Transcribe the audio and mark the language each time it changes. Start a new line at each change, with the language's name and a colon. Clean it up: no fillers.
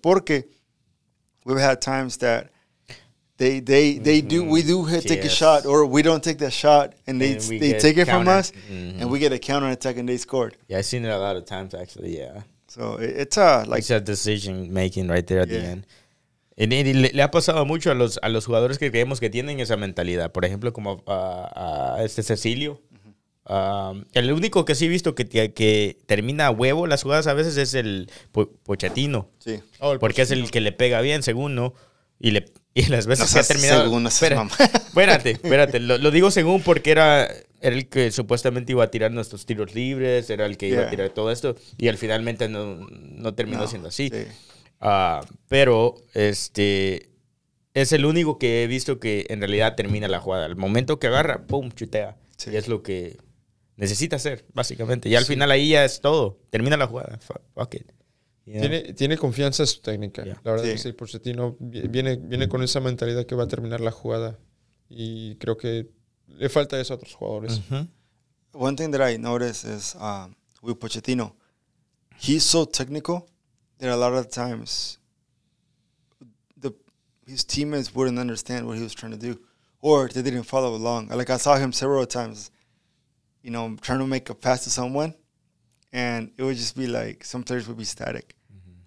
English: Porque we've had times that we take a shot or we don't take the shot and they take it from us, mm-hmm. and we get a counter attack and they scored. Yeah, I've seen it a lot of times actually, yeah. So it's a decision making right there at the end.
Spanish: Le ha pasado mucho a los jugadores que creemos que tienen esa mentalidad. Por ejemplo, como a Cecilio. Uh-huh. El único que sí he visto que termina a huevo las jugadas a veces es el Pochettino. Sí. Oh, porque es el que le pega bien, según, ¿no? Y las veces no, que ha terminado... Según, no seas mamá. Espérate. Lo digo según porque era el que supuestamente iba a tirar nuestros tiros libres, era el que iba a tirar todo esto. Y al finalmente no terminó siendo así. Sí. Pero es el único que he visto que en realidad termina la jugada. Al momento que agarra, pum, chutea. Sí. Y es lo que necesita hacer, básicamente. Y al final ahí ya es todo. Termina la jugada.
English: Fuck it.
Spanish: Yeah. Tiene confianza en su técnica. Yeah. La verdad es que Pochettino viene con esa mentalidad que va a terminar la jugada. Y creo que le falta eso a otros jugadores. Uh-huh.
English: One thing that I noticed is with Pochettino, he's so technical. There are a lot of times his teammates wouldn't understand what he was trying to do, or they didn't follow along. Like I saw him several times, you know, trying to make a pass to someone, and it would just be like some players would be static. Mm-hmm.